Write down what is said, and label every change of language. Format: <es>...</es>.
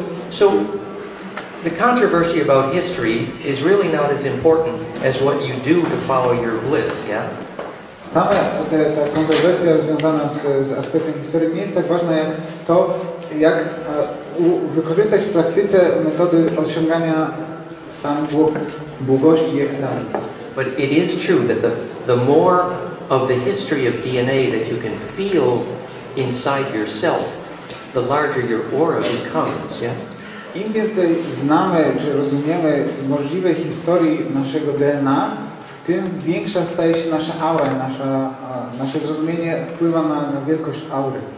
<en>So the controversy about history is really not as important as what you do to follow your bliss, yeah?</en> <pl>Sama ta kontrowersja związana z aspektem historii nie jest tak ważna jak to, jak wykorzystać w praktyce metody osiągania stanu błogości i ekstazy.</pl> <en>But it is true that the more of the history of DNA that you can feel inside yourself, the larger your aura becomes, yeah?</en> <pl>Im więcej znamy czy rozumiemy możliwe historii naszego DNA, tym większa staje się nasza aura, nasze zrozumienie wpływa na wielkość aury.</pl>